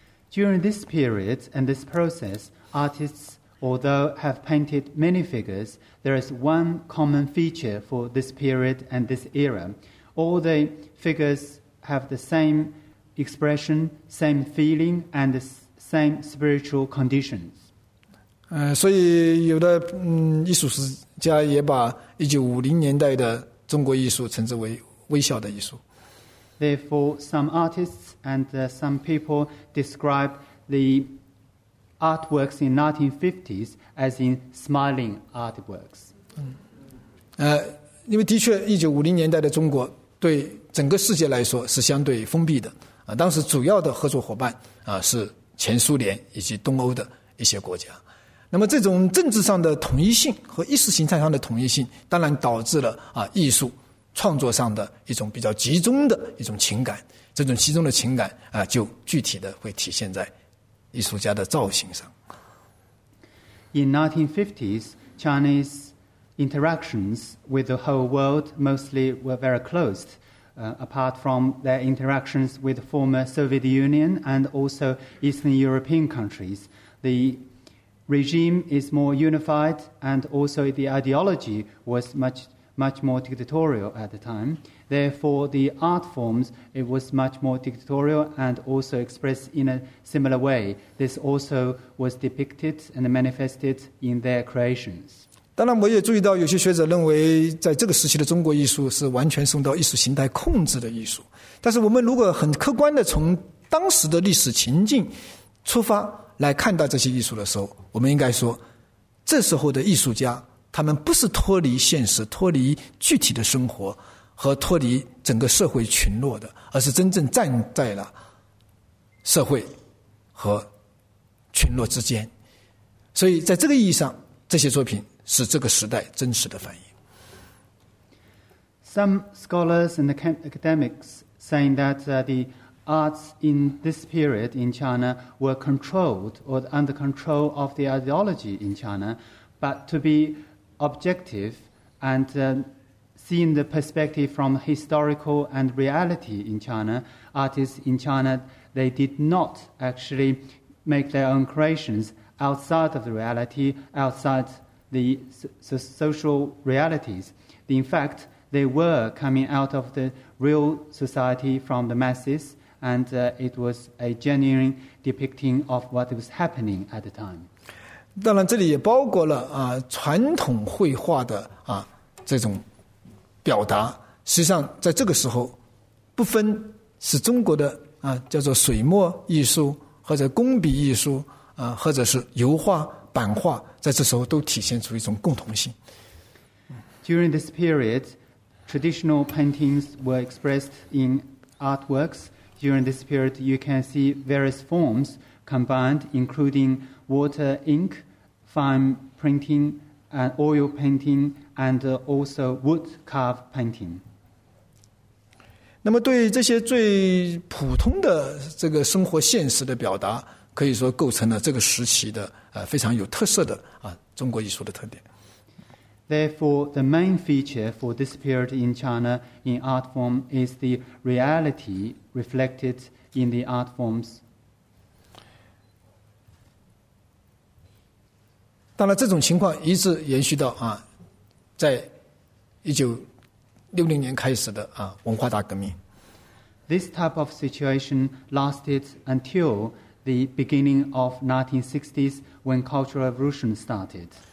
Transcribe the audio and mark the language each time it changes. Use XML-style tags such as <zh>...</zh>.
<en>During this period and this process, artists. Although have painted many figures, there is one common feature for this period and this era. All the figures have the same expression, same feeling, and the same spiritual conditions.</en> <zh>所以有的艺术史家也把1950年代的中国艺术称之为微笑的艺术。</zh> <en>Therefore, some artists and some people describe theartworks in 1950s as in smiling artworks.</en> <zh>因为的确1950年代的中国对整个世界来说是相对封闭的。当时主要的合作伙伴是前苏联以及东欧的一些国家。那么这种政治上的统一性和意识形态上的统一性当然导致了艺术创作上的一种比较集中的一种情感。这种集中的情感就具体的会体现在艺术家的造型上。</zh> <en>In 1950s, Chinese interactions with the whole world mostly were very closed, apart from their interactions with the former Soviet Union and also Eastern European countries. The regime is more unified and also the ideology was much, much more dictatorial at the time. Therefore, the art forms, it was much more dictatorial and also expressed in a similar way. This also was depicted and manifested in their creations.</en> <zh>当然我也注意到有些学者认为在这个时期的中国艺术是完全受到意识形态控制的艺术，但是我们如果很客观的从当时的历史情境出发来看待这些艺术的时候，我们应该说这时候的艺术家他们不是脱离现实，脱离具体的生活和脱离整个社会群落的，而是真正站在了社会和群落之间。所以在这个意义上，这些作品是这个时代真实的反映。</zh> <en>Some scholars and academics saying that the arts in this period in China were controlled or under control of the ideology in China, but to be objective and seeing the perspective from historical and reality in China, artists in China, they did not actually make their own creations outside of the reality, outside the social realities. In fact, they were coming out of the real society from the masses, and it was a genuine depicting of what was happening at the time.</en> <zh>当然这里也包括了啊传统绘画的啊这种表达，实际上在这个时候不分是中国的啊叫做水墨艺术或者工笔艺术啊或者是油画版画，在这时候都体现出一种共同性。</zh> <en>During this period, traditional paintings were expressed in artworks. During this period, you can see various forms combined, including water ink, fine printing, and oil painting, and also wood carved painting.</en> <zh>那么对这些最普通的这个生活现实的表达，可以说构成了这个时期的非常有特色的中国艺术的特点。</zh> <en>Therefore, the main feature for this period in China in art form is the reality reflected in the art forms.</en> <zh>当然，这种情况一直延续到在1960年开始的文化大革命。</zh> <en>This type of situation lasted until the beginning of 1960s when Cultural Revolution started.</en>